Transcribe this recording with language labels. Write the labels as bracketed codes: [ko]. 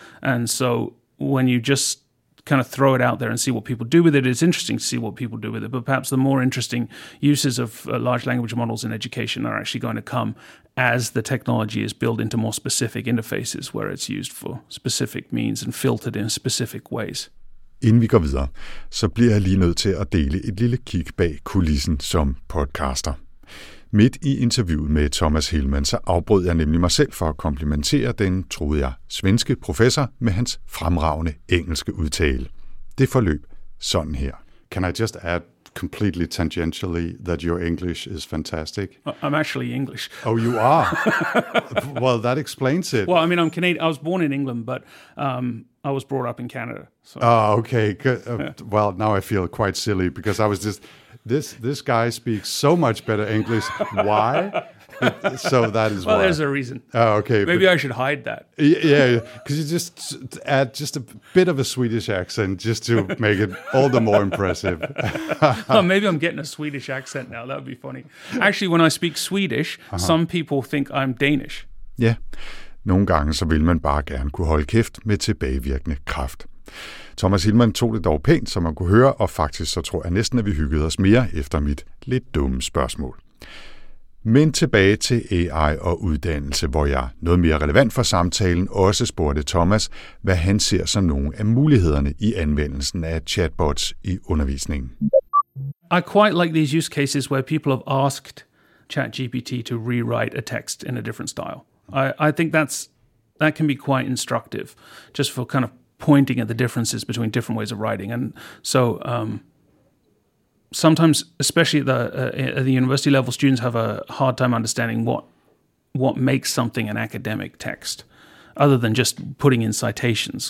[en] And so when you just kind of throw it out there and see what people do with it, it's interesting to see what people do with it. But perhaps the more interesting uses of large language models in education are actually going to come as the technology is built into more specific interfaces where it's used for specific means and filtered in specific ways. [da] Inden vi går videre, så bliver jeg lige nødt til at dele et lille kig bag kulissen som podcaster. Midt i interviewet med Thomas Hillman, så afbrød jeg nemlig mig selv for at komplimentere den, troede jeg, svenske professor med hans fremragende engelske udtale. Det forløb sådan her. [en] Can I just add completely tangentially that your English is fantastic? I'm actually English. Oh, you are? Well, that explains it. Well, I mean, I'm Canadian. I was born in England, but I was brought up in Canada. So. Oh, okay. Well, now I feel quite silly because I was just, this guy speaks so much better English. Why? So that is why. There's a reason. Oh, okay. Maybe I should hide that. Yeah, because you just add just a bit of a Swedish accent just to make it all the more impressive. Oh, maybe I'm getting a Swedish accent now. That would be funny. Actually, when I speak Swedish, some people think I'm Danish. Yeah. [da] Nogle gange så vil man bare gerne kunne holde kæft med tilbagevirkende kraft. Thomas Hillmann tog det dog pænt, som man kunne høre, og faktisk så tror jeg næsten, at vi hyggede os mere efter mit lidt dumme spørgsmål. Men tilbage til AI og uddannelse, hvor jeg, noget mere relevant for samtalen, også spurgte Thomas, hvad han ser som nogle af mulighederne i anvendelsen af chatbots i undervisningen. [en] I quite like these use cases where people have asked ChatGPT to rewrite a text in a different style. I think that can be quite instructive, just for kind of pointing at the differences between different ways of writing. And so sometimes, especially at the university level, students have a hard time understanding what makes something an academic text, other than just putting in citations.